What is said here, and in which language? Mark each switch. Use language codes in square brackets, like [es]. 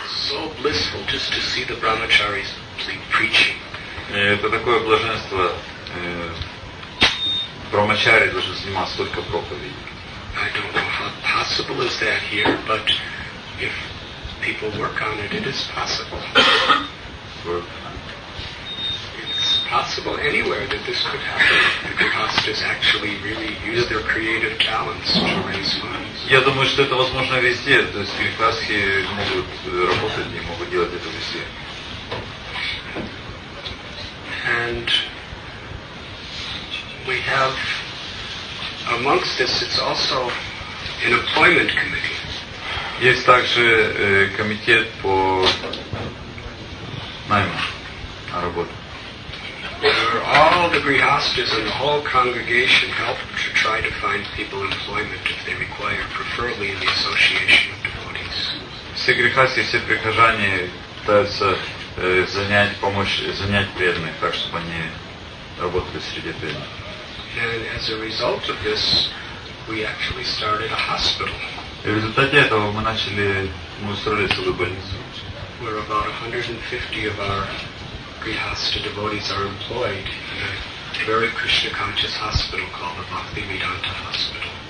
[en] So blissful just to see the brahmacharis preaching. [ru] Это такое блаженство. Брахмачари должен заниматься только проповедью. [en] I don't know how possible is that here, but if people work on it, it is possible. It's possible anywhere that this could happen. The Grihasthas actually really use their creative talents to raise funds. [ru] Я думаю, что это возможно везде. То есть грихастхи могут работать и могут делать это везде. [en] And we have amongst this, it's also an employment committee. [ru] Есть также комитет по найму на работу. [en] Where all the grihasthas and the whole congregation help to try to find people employment if they require, preferably in the association of devotees. [ru] Все грихасты, все прихожане пытаются занять преданных так, чтобы они работали среди преданных. [en] And as a result of this, we actually started a hospital. [ru] В результате этого мы устроили целую больницу. [en] Where about 150 of our Grihastha devotees are employed in a very Krishna conscious hospital called the Bhaktivedanta Hospital.